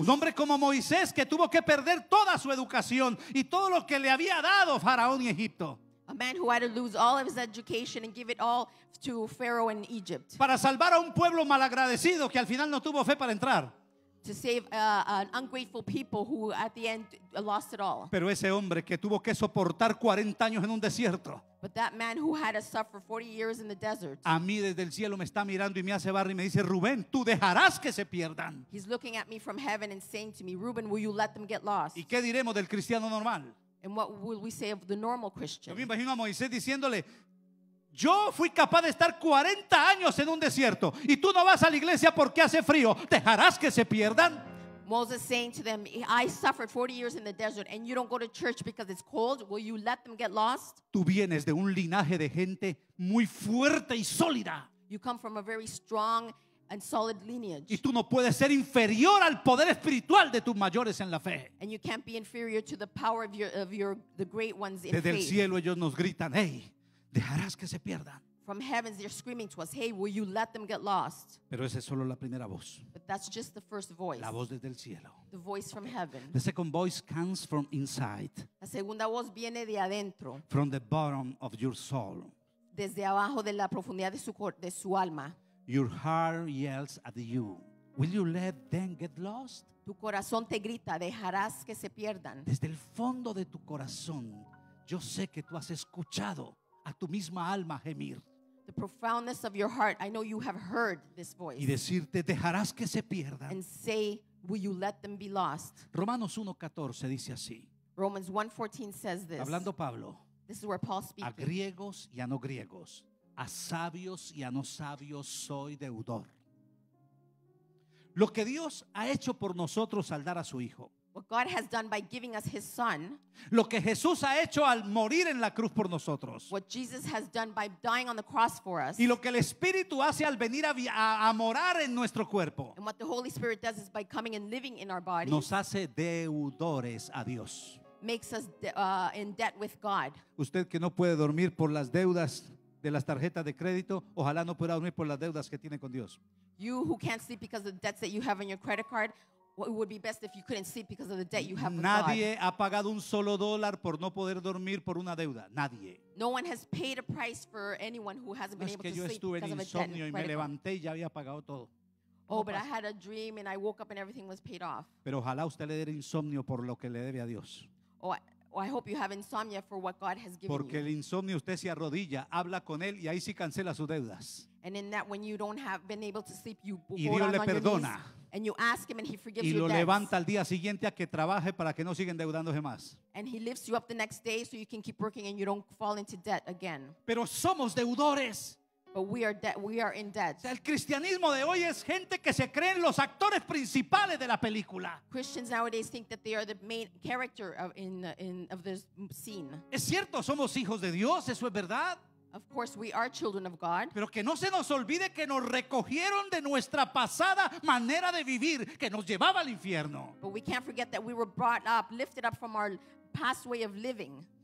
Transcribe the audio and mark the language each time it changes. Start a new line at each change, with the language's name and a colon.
Spanish: Un hombre como Moisés que tuvo que perder toda su educación y todo lo que le había dado Faraón y Egipto.
English: A man who had to lose all of his education and give it all to Pharaoh and Egypt.
Spanish: Para salvar a un pueblo malagradecido que al final no tuvo fe para entrar.
English: To save an ungrateful people who at the end lost it all.
Spanish: Pero ese hombre que tuvo que soportar 40 años en un desierto.
English: But that man who had to suffer 40 years in the desert.
Spanish: A mí desde el cielo me está mirando y me hace barrio y me dice, Rubén, tú dejarás que se pierdan.
English: He's looking at me from heaven and saying to me, Rubén, will you let them get lost?
Spanish: ¿Y qué diremos del cristiano normal?
English: And what will we say of the normal Christian?
Spanish: Yo me imagino a Moisés diciéndole, yo fui capaz de estar 40 años en un desierto y tú no vas a la iglesia porque hace frío. ¿Dejarás que se pierdan?
English: Moses saying to them, I suffered 40 years in the desert and you don't go to church because it's cold. Will you let them get lost?
Spanish: Tú vienes de un linaje de gente muy fuerte y sólida.
English: You come from a very strong and solid lineage.
Spanish: Y tú no puedes ser inferior al poder espiritual de tus mayores en la fe.
English: And you can't be inferior to the power of your the great ones in faith.
Spanish: Desde el cielo ellos nos gritan, hey, dejarás que se pierdan.
English: From heaven they're screaming to us, hey, will you let them get lost?
Spanish: Pero esa es solo la primera voz.
English: But that's just the first voice.
Spanish: La voz desde el cielo.
English: The voice from heaven. The second voice comes from inside.
Spanish: La segunda voz viene de adentro.
English: From the bottom of your soul.
Spanish: Desde abajo de la profundidad de su alma.
English: Your heart yells at you. Will you let them get lost?
Spanish: Tu corazón te grita, dejarás que se pierdan. Desde el fondo de tu corazón, yo sé que tú has escuchado a tu misma alma gemir.
English: The profoundness of your heart, I know you have heard this voice.
Spanish: Y decirte, dejarás que se pierdan.
English: And say, will you let them be lost?
Spanish: Romanos 1:14 dice así.
English: Romans 1:14 says this.
Spanish: Hablando Pablo.
English: This is where Paul speaks.
Spanish: A griegos y a no griegos. A sabios y a no sabios soy deudor. Lo que Dios ha hecho por nosotros al dar a su Hijo.
English: What God has done by giving us His Son.
Spanish: Lo que Jesús ha hecho al morir en la cruz por nosotros.
English: What Jesus has done by dying on the cross for us.
Spanish: Y lo que el Espíritu hace al venir a morar en nuestro cuerpo.
English: And what the Holy Spirit does is by coming and living in our body.
Spanish: Nos hace deudores a Dios.
English: Makes us in debt with God.
Spanish: Usted que no puede dormir por las deudas de las tarjetas de crédito, ojalá no pueda dormir por las deudas que tiene con Dios.
English: You who can't sleep because of the debts that you have on your credit card, what would be best if you couldn't sleep because of the debt you have with
Spanish: Nadie
English: God.
Spanish: Ha pagado un solo dólar por no poder dormir por una deuda. Nadie.
English: No one has paid a price for anyone who hasn't been
Spanish: no,
English: able to sleep because of a debt.
Spanish: Es que yo estuve en insomnio y me levanté y ya había pagado todo.
English: Oh, but I had a dream and I woke up and everything was paid off.
Spanish: Pero ojalá usted le dé insomnio por lo que le debe a Dios.
English: Oh, I hope you have insomnia for what God has given you.
Spanish: Porque el insomnio usted se arrodilla, habla con él y ahí sí cancela sus deudas.
English: And in that, when you don't have been able to sleep, you
Spanish: y Dios le perdona.
English: And you ask him and he forgives
Spanish: y
English: your
Spanish: lo
English: debts.
Spanish: Levanta al día siguiente a que trabaje para que no siga endeudándose más.
English: And he lifts you up the next day so you can keep working and you don't fall into debt again.
Spanish: Pero somos deudores.
English: But we are in debt.
Spanish: El cristianismo de hoy es gente que se creen los actores principales de la película.
English: Christians nowadays think that they are the main character of this scene.
Spanish: Es cierto, somos hijos de Dios, eso es verdad.
English: Of course, we are children of God.
Spanish: Pero que no se nos olvide que nos recogieron de nuestra pasada manera de vivir, que nos llevaba al infierno.
English: But we can't forget that we were brought up, lifted up from our past way of living.